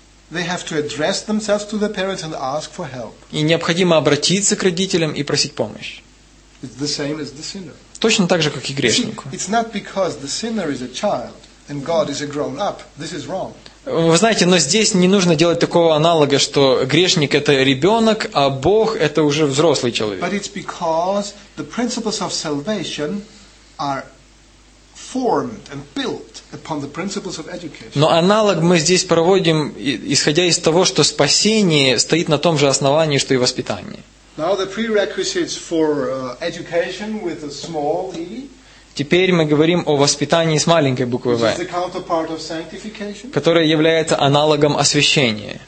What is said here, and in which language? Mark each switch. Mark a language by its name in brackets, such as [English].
[English] They have to address themselves to their parents and ask for help. [Russian] И необходимо обратиться к родителям и просить помощи. [English] It's the same as the sinner. [Russian] Точно так же, как и грешнику. [English] It's not because the sinner is a child and God is a grown up. This is wrong. [Russian] Вы знаете, но здесь не нужно делать такого аналога, что грешник это ребенок, а Бог это уже взрослый человек. [English] But it's because the principles of salvation are formed and built upon the principles of education. [Russian] Но аналог мы здесь проводим, исходя из того, что спасение стоит на том же основании, что и воспитание. [English] Now the prerequisites for education with a small e. [Russian] Теперь мы говорим о воспитании с маленькой буквы V. [English] Which is the counterpart of sanctification. [Russian] Которая является аналогом освящения.